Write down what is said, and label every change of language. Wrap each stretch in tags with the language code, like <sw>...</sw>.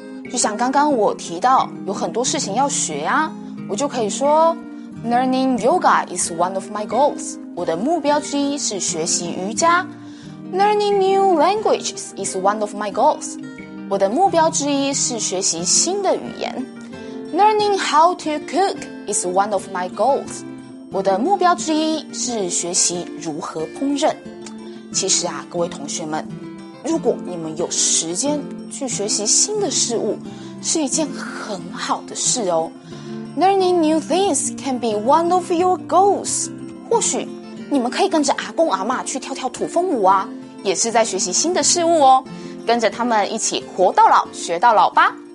<zh>就像刚刚我提到，有很多事情要学啊，我就可以说 ：</zh> <en>Learning yoga is one of my goals.</en> <zh>我的目标之一是学习瑜伽。</zh> <en>Learning new languages is one of my goals.</en> <zh>我的目标之一是学习新的语言。</zh> <en>Learning how to cook is one of my goals.</en> <zh>我的目标之一是学习如何烹饪。其实啊，各位同学们，如果你们有时间去学习新的事物，是一件很好的事哦。</zh> <en>Learning new things can be one of your goals.</en> <zh>或许你们可以跟着阿公阿嬷去跳跳土风舞啊，也是在学习新的事物哦，跟着他们一起活到老学到老吧。</zh>